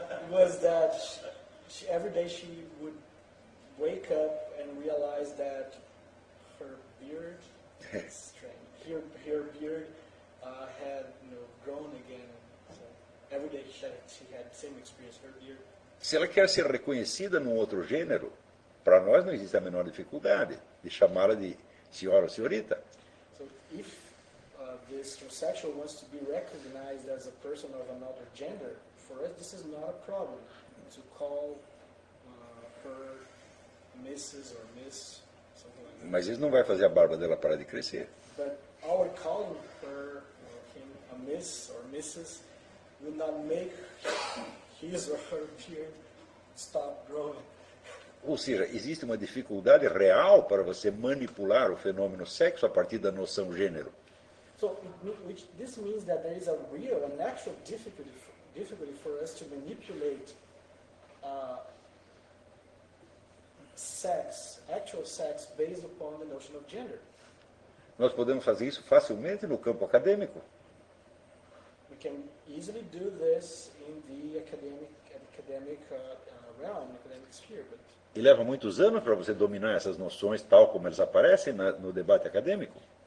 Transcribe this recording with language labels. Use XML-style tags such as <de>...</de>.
<en>was that she, every day she would wake up and realize that her beard her beard had, you know, grown again. Every day she had the same experience. Her beard.</en> <pt>Se ela quer ser reconhecida num outro gênero, para nós não existe a menor dificuldade de chamá-la de senhora ou senhorita.</pt> <en>So if this transsexual wants to be recognized as a person of another gender, for us this is not a problem to call her Mrs. or Miss, something like that.</en> <pt>Mas isso não vai fazer a barba dela parar de crescer.</pt> <en>But our calling her or him a Miss or Mrs. will not make his or her beard stop growing.</en> <pt>Ou seja, existe uma dificuldade real para você manipular o fenômeno sexo a partir da noção gênero.</pt> <en>So, which this means that there is a real and actual difficulty for us to manipulate sex, actual sex based upon the notion of gender.</en> <pt>Nós podemos fazer isso facilmente no campo acadêmico.</pt> <en>We can easily do this in the academic realm, academic sphere, but</en> <pt>e leva muitos anos para você dominar essas noções tal como elas aparecem no debate acadêmico.</pt>